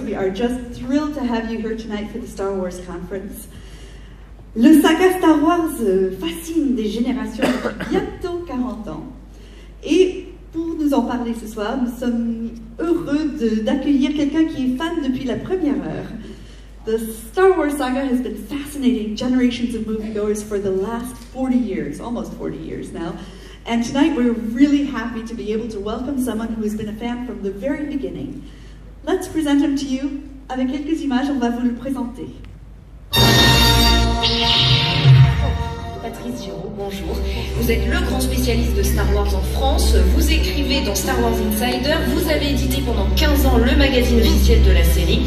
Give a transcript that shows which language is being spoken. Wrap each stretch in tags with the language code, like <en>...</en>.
<en>We are just thrilled to have you here tonight for the Star Wars conference.</en> <fr>Le saga Star Wars fascine des générations depuis bientôt 40 ans. Et pour nous en parler ce soir, nous sommes heureux d'accueillir quelqu'un qui est fan depuis la première heure.</fr> <en>The Star Wars saga has been fascinating generations of moviegoers for the last 40 years, almost 40 years now. And tonight we're really happy to be able to welcome someone who has been a fan from the very beginning. Let's present him to you.</en> <fr>Avec quelques images, on va vous le présenter. Patrice Giraud, bonjour. Vous êtes le grand spécialiste de Star Wars en France. Vous écrivez dans Star Wars Insider. Vous avez édité pendant 15 ans le magazine officiel de la série.</fr>